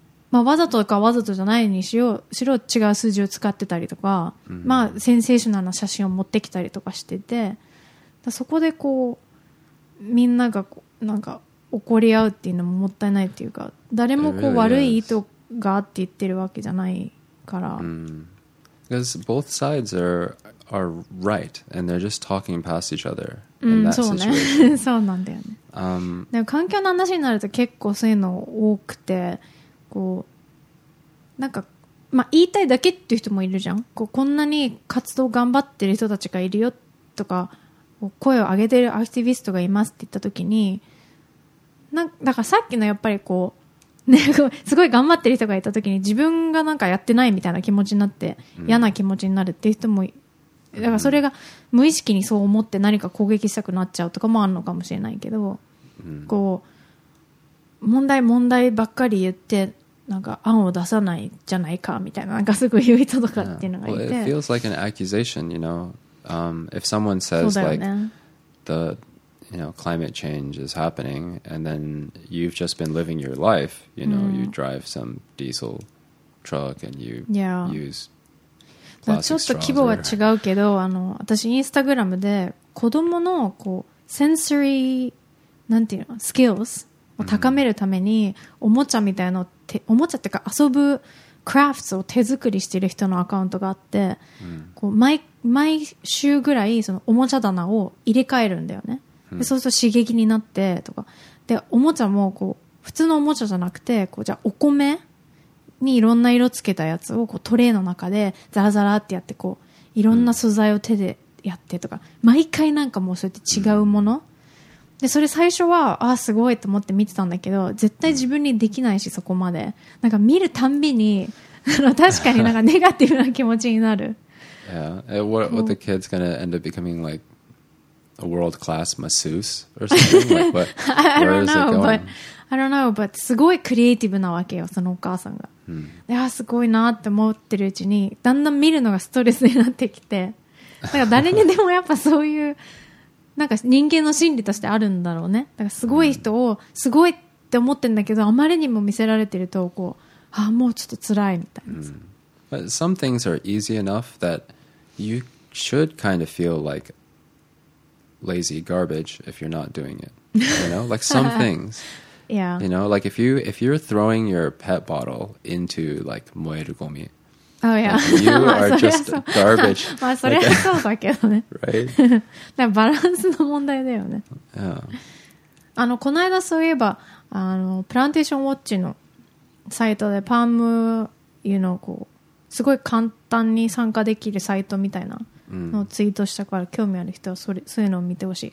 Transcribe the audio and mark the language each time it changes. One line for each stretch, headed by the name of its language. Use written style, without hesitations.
Japanese: まあ、わざとかわざとじゃないにしろ違う数字を使ってたりとか、まあ、センセーショナルな写真を持ってきたりとかしてて、だそこでこうみんながこうなんか怒り合うっていうのももったいないっていうか、誰もこう悪い意図があって言ってるわけじゃないから、
English: Because both sides are right, and they're just talking past each other in that situation.
Japanese: そうなんだよね。でも環境の話になると結構そういうの多くて、こうなんか、まあ、言いたいだけっていう人もいるじゃん。こうこんなに活動頑張ってる人たちがいるよとか、こう声を上げてるアクティビストがいますって言った時に、なんかだからさっきのやっぱりこうね、すごい頑張ってる人がいた時に自分がなんかやってないみたいな気持ちになって、うん、嫌な気持ちになるっていう人もだからそれが無意識にそう思って何か攻撃したくなっちゃうとかもあるのかもしれないけど、うん、こう問題問題ばっかり言ってなんか案を出さないじゃないかみたいななんかすごい言う人とかっていうのがいて、
English: yeah. Well, it feels like an accusation, you know. If someone says、
Japanese: ね、
English: like the you know climate change is happening, and then you've just been living your life, you know,、うん、you drive some diesel truck and you、 yeah. use
Japanese: ちょっと規模は違うけど、あの私インスタグラムで子供のこうセンサリーなんていうのスキルスを高めるためにおもちゃみたいなおもちゃっていうか遊ぶクラフトを手作りしている人のアカウントがあって、こう 毎週ぐらいそのおもちゃ棚を入れ替えるんだよね。でそうすると刺激になってとかで、おもちゃもこう普通のおもちゃじゃなくてこうじゃあお米にいろんな色つけたやつをこうトレーの中でザラザラってやってこういろんな素材を手でやってとか、毎回なんかもうそうやって違うもの、でそれ最初はあすごいと思って見てたんだけど、絶対自分にできないし、そこまでなんか見るたんびに確かになんかネガティブな気持ちになる。
English: Yeah, what the kid's gonna end up becoming like a world class masseuse or something like, what, where is it going? I don't know, but
Japanese: すごいクリエイティブなわけよ、そのお母さんが。 Hmm. すごいなって思ってるうちに、だんだん見るのがストレスになってきて、なんか誰にでもやっぱそういう、なんか人間の心理としてあるんだろうね。だからすごい人を、すごいって思ってるんだけど、あまりにも見せられてると、こう、ああ、もうちょっと辛いみたいな。 Hmm.
English: But some things are easy enough that you should kind of feel like lazy garbage if you're not doing it. You know, like some things. Yeah. You know, like if you're throwing your pet bottle into like 燃えるゴミ. Oh yeah. You are just garbage.
Japanese: まあそれはそうだけどね。
English: Right.
Japanese: だからバランスの問題だよね。
English: Yeah.
Japanese: あのこの間そういえばあのプランテーションウォッチのサイトでパーム油のこうすごい簡単に参加できるサイトみたいなのをツイートしたから、興味ある人はそういうのを見てほしい。